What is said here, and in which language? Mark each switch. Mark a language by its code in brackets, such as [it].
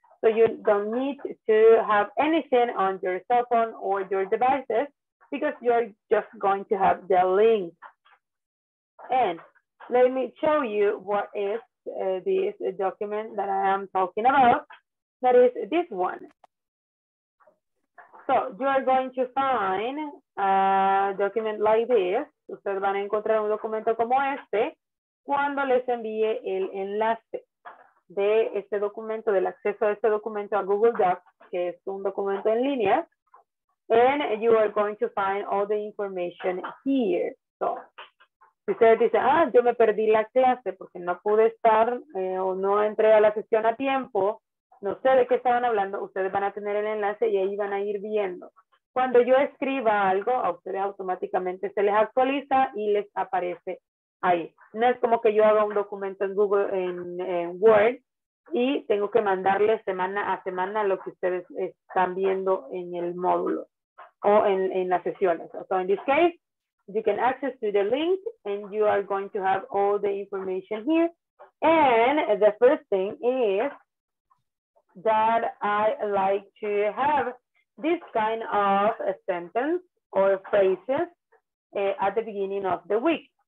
[en] So you don't need to have anything on your cell phone or your devices because you're just going to have the link. And let me show you what is this document that I am talking about. That is this one. So you are going to find a document like this. [es] Ustedes van a encontrar un documento como este cuando les envíe el enlace de este documento, del acceso a este documento a Google Docs, que es un documento en línea. [en] And you are going to find all the information here. So [es] si ustedes dicen, ah, yo me perdí la clase porque no pude estar o no entré a la sesión a tiempo, no sé de qué estaban hablando, ustedes van a tener el enlace y ahí van a ir viendo. Cuando yo escriba algo, a ustedes automáticamente se les actualiza y les aparece ahí. No es como que yo haga un documento en Google, en Word, y tengo que mandarle semana a semana lo que ustedes están viendo en el módulo o en las sesiones. [en] So in this case, you can access to the link and you are going to have all the information here. And the first thing is that I like to have this kind of a sentence or phrases at the beginning of the week.